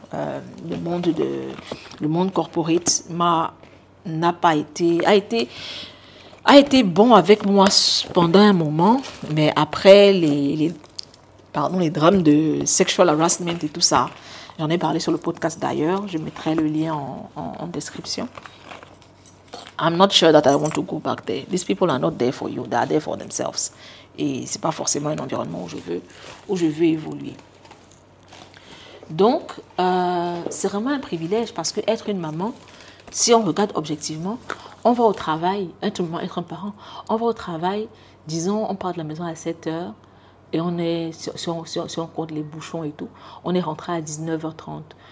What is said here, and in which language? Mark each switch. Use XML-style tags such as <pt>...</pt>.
<fr>Le monde corporate n'a pas été a été bon avec moi pendant un moment, mais après les drames de</fr> <en>sexual harassment</en> <fr>et tout ça, j'en ai parlé sur le podcast d'ailleurs, je mettrai le lien en description.</fr> <en>I'm not sure that I want to go back there. These people are not there for you, they are there for themselves.</en> <fr>Et c'est pas forcément un environnement où je veux évoluer. Donc, c'est vraiment un privilège parce que être une maman, si on regarde objectivement, on va au travail, être un parent, on va au travail, disons, on part de la maison à 7 heures et on est, si on compte les bouchons et tout, on est rentré à 19h30.</fr>